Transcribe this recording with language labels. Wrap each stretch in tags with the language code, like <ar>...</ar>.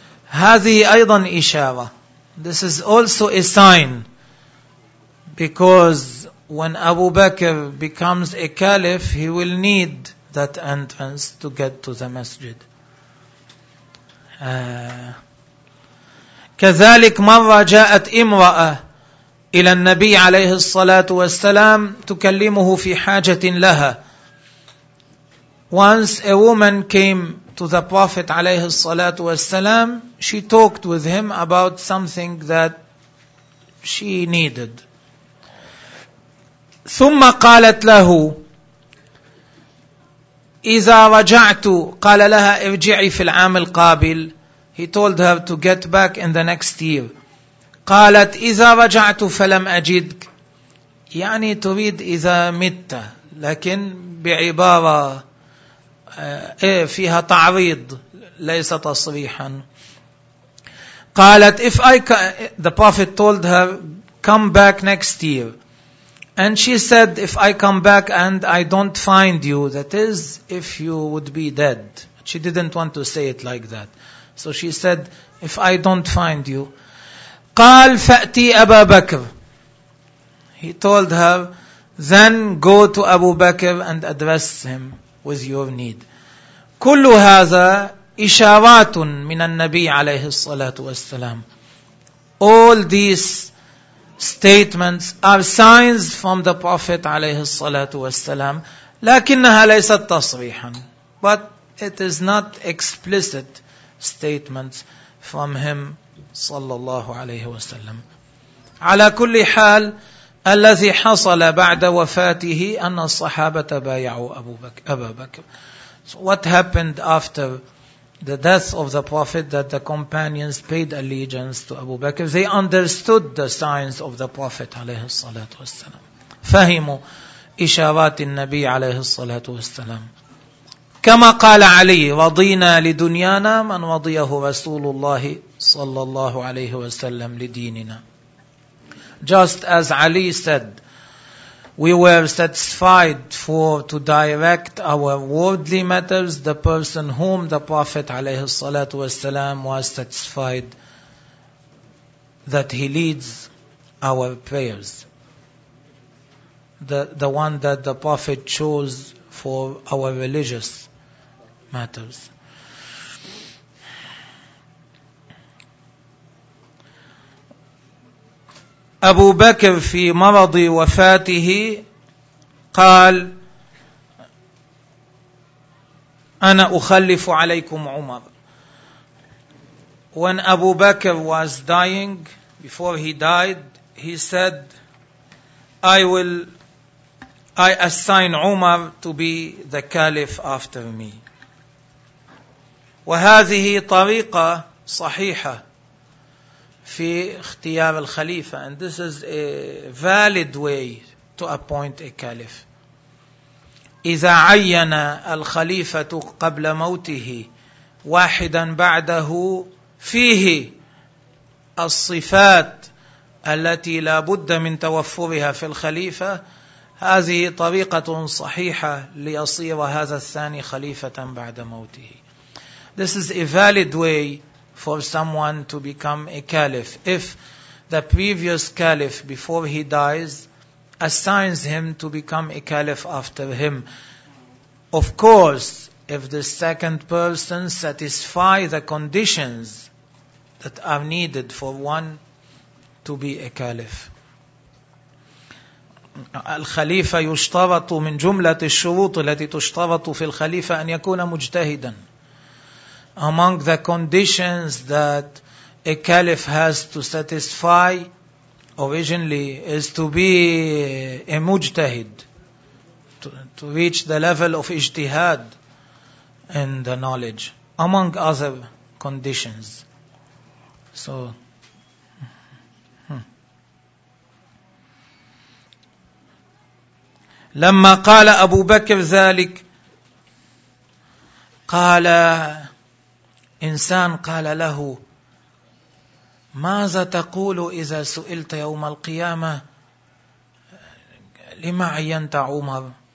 <ar>هذه أيضا إشارة.</ar> <en>This is also a sign, because when Abu Bakr becomes a caliph, he will need that entrance to get to the masjid.</en> <ar>كذلك مرة جاءت امرأة إلى النبي عليه الصلاة والسلام تكلمه في حاجة لها.</ar> <en>Once a woman came to the Prophet</en> <ar>عليه الصلاة والسلام,</ar> <en>she talked with him about something that she needed.</en> <ar>ثم قالت له إذا رجعت, قال لها ارجعي في العام القابل.</ar> <en>He told her to get back in the next year.</en> <ar>قالت إذا رجعت فلم أجدك, يعني تريد إذا مت, لكن بعبارة فيها تعريض ليس تصريحا. قالت</ar> <en>if I the Prophet told her come back next year, and she said if I come back and I don't find you, that is if you would be dead. She didn't want to say it like that, so she said if I don't find you.</en> <ar>قال فأتي أبا بكر.</ar> <en>He told her, then go to Abu Bakr and address him with your need.</en> <ar>كل هذا إشارات من النبي عليه الصلاة والسلام.</ar> <en>All these statements are signs from the Prophet</en> <ar>عليه الصلاة والسلام. لكنها ليست تصريحا.</ar> <en>But it is not explicit statements from him</en> <ar>صلى الله عليه وسلم. على كل حال الذي حصل بعد وفاته أن الصحابة بايعوا أبا بكر.</ar> <en>So what happened after the death of the Prophet, that the companions paid allegiance to Abu Bakr. They understood the signs of the Prophet</en> <ar>عليه الصلاة والسلام. فهموا إشارات النبي عليه الصلاة والسلام. كما قال علي رضينا لدنيانا من وضيه رسول الله صلى الله عليه وسلم لديننا.</ar> <en>Just as Ali said, we were satisfied for to direct our worldly matters the person whom the Prophet</en> <ar>عليه الصلاة والسلام</ar> <en>was satisfied that he leads our prayers. The one that the Prophet chose for our religious matters.</en> <ar>أبو بكر في مرض وفاته قال أنا أخلف عليكم عمر.</ar> <en>When Abu Bakr was dying, before he died, he said I assign Umar to be the caliph after me.</en> <ar>وهذه طريقة صحيحة في اختيار الخليفة.</ar> <en>And this is a valid way to appoint a caliph.</en> <ar>إذا عين الخليفة قبل موته واحدا بعده فيه الصفات التي لا بد من توفرها في الخليفة هذه طريقة صحيحة ليصير هذا الثاني خليفة بعد موته.</ar> <en>This is a valid way for someone to become a caliph if the previous caliph before he dies assigns him to become a caliph after him. Of course, if the second person satisfies the conditions that are needed for one to be a caliph.</en> <ar>الخليفة يشترط من جملة الشروط التي تشترط في الخليفة أن يكون مجتهدا.</ar> <en>Among the conditions that a caliph has to satisfy originally is to be a mujtahid, to reach the level of ijtihad in the knowledge, among other conditions.</en> <ar>So, لما قال أبو بكر ذلك قال إنسان قال له ماذا تقول إذا سئلت يوم القيامة لما عينت عمر</ar>